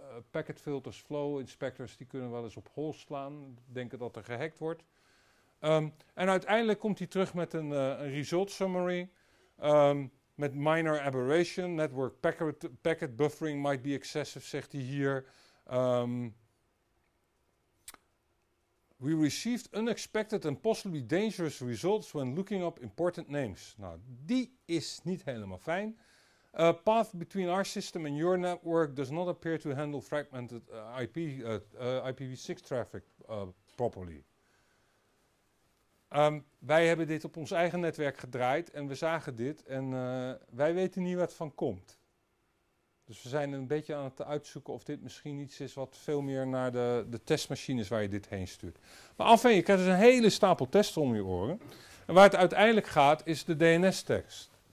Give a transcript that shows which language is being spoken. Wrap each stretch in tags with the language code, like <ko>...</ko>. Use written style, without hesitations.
<nl>Packet filters, flow inspectors, die kunnen wel eens op hol slaan, denken dat er gehackt wordt. En uiteindelijk komt hij terug met een result summary, met minor aberration,</nl> <en>network packet buffering might be excessive,</en> <nl>zegt hij hier.</nl> <en>We received unexpected and possibly dangerous results when looking up important names.</en> <nl>Nou, die is niet helemaal fijn.</nl> <en>Path between our system and your network does not appear to handle fragmented IPv6 traffic properly.</en> <nl>Wij hebben dit op ons eigen netwerk gedraaid en we zagen dit en wij weten niet wat van komt. Dus we zijn een beetje aan het uitzoeken of dit misschien iets is wat veel meer naar de testmachines waar je dit heen stuurt. Maar afijn, je krijgt dus een hele stapel testen om je oren. En waar het uiteindelijk gaat is de DNS-tekst.</nl>